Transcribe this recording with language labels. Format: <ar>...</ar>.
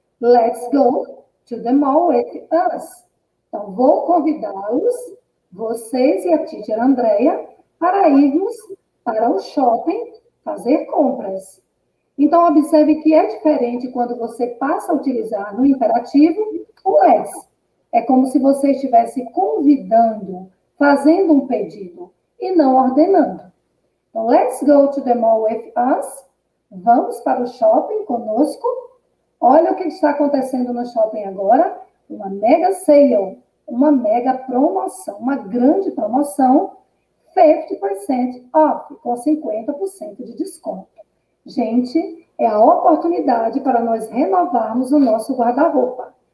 <en>Let's go to the mall with us.</en> <pt>Então, vou convidá-los, vocês e a teacher Andrea, para irmos para o shopping fazer compras. Então, observe que é diferente quando você passa a utilizar no imperativo o let's. É como se você estivesse convidando, fazendo um pedido e não ordenando. Então,</pt> <en>let's go to the mall with us.</en> <pt>Vamos para o shopping conosco. Olha o que está acontecendo no shopping agora. Uma mega sale, uma mega promoção, uma grande promoção. 50% off, com 50% de desconto. Gente, é a oportunidade para nós renovarmos o nosso guarda-roupa.</pt>